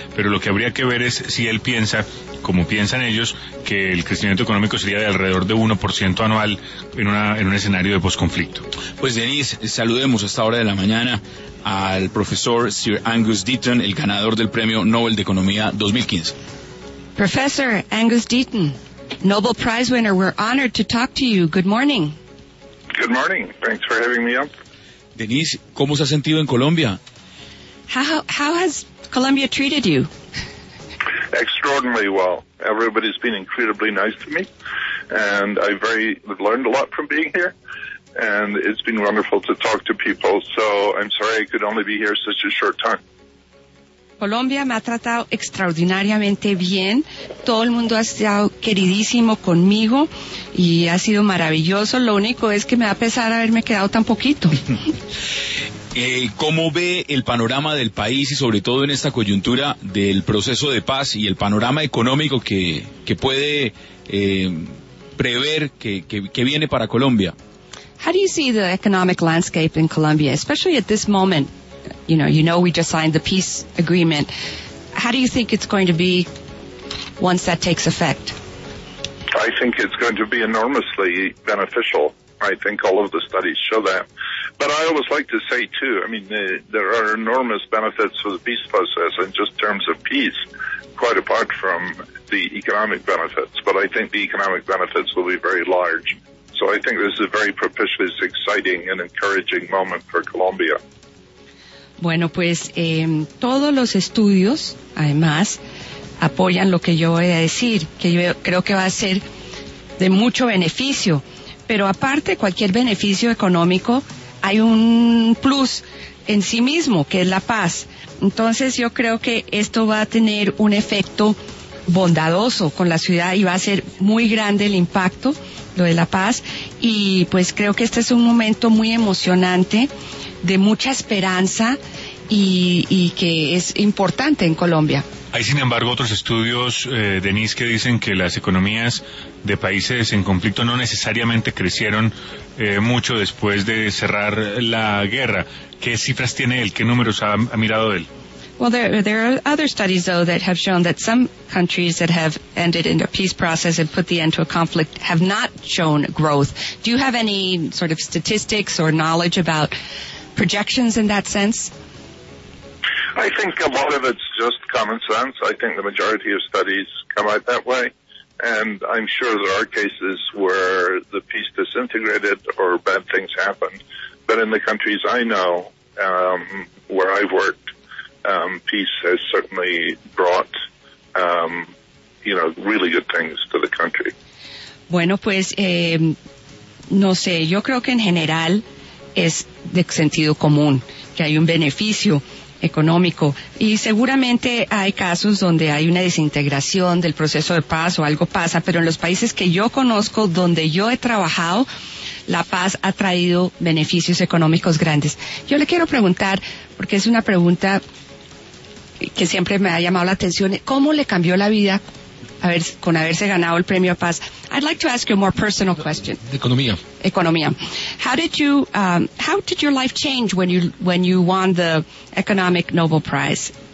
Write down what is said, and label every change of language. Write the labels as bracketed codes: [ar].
[es] Pero lo que habría que ver es si él piensa, como piensan ellos, que el crecimiento económico sería de alrededor de 1% anual en un escenario de posconflicto. Pues Denis, saludemos a esta hora de la mañana al profesor Sir Angus Deaton, el ganador del Premio Nobel de Economía 2015. [en] Professor Angus Deaton, Nobel Prize winner, we're honored to talk to you. Good morning. Good morning. Thanks for having me up. [es] Denis, ¿cómo se ha sentido en Colombia? [en] How has Colombia treated you? Extraordinarily well. Everybody's been incredibly nice to me, and I've learned a lot from being here. And it's been wonderful to talk to people, so I'm sorry I could only be here such a short time. [es] Colombia me ha tratado extraordinariamente bien. Todo el mundo ha estado queridísimo conmigo y ha sido maravilloso. Lo único es que me da pesar haberme quedado tan poquito. ¿Cómo ve el panorama del país y sobre todo en esta coyuntura del proceso de paz y el panorama económico que puede prever que viene para Colombia? [en] How do you see the economic landscape in Colombia, especially at this moment? You know, we just signed the peace agreement. How do you think it's going to be once that takes effect? I think it's going to be enormously beneficial. I think all of the studies show that. But I always like to say, too, I mean, there are enormous benefits for the peace process in just terms of peace, quite apart from the economic benefits. But I think the economic benefits will be very large. So I think this is a very propitious, exciting, and encouraging moment for Colombia. [es] Bueno, pues todos los estudios, además, apoyan lo que yo voy a decir, que yo creo que va a ser de mucho beneficio. Pero aparte, cualquier beneficio económico, hay un plus en sí mismo, que es la paz. Entonces, yo creo que esto va a tener un efecto bondadoso con la ciudad y va a ser muy grande el impacto, lo de la paz, y pues creo que este es un momento muy emocionante, de mucha esperanza, y que es importante en Colombia. Hay, sin embargo, otros estudios, Denis, que dicen que las economías de países en conflicto no necesariamente crecieron mucho después de cerrar la guerra. ¿Qué cifras tiene él? ¿Qué números ha mirado él? [en] Well, there are other studies, though, that have shown that some countries that have ended in a peace process and put the end to a conflict have not shown growth. Do you have any sort of statistics or knowledge about projections in that sense? I think a lot of it's just common sense. I think the majority of studies come out that way. And I'm sure there are cases where the peace disintegrated or bad things happened. But in the countries I know, where I've worked, peace has certainly brought, really good things to the country. [es] Bueno, pues, no sé, yo creo que en general es de sentido común, que hay un beneficio económico. Y seguramente hay casos donde hay una desintegración del proceso de paz o algo pasa, pero en los países que yo conozco, donde yo he trabajado, la paz ha traído beneficios económicos grandes. Yo le quiero preguntar, porque es una pregunta que siempre me ha llamado la atención, ¿cómo le cambió la vida con haberse ganado el premio Paz. [en] I'd like to ask you a more personal question. [es] Economía. Economía. [en] How did your life change when you won the Economic Nobel Prize?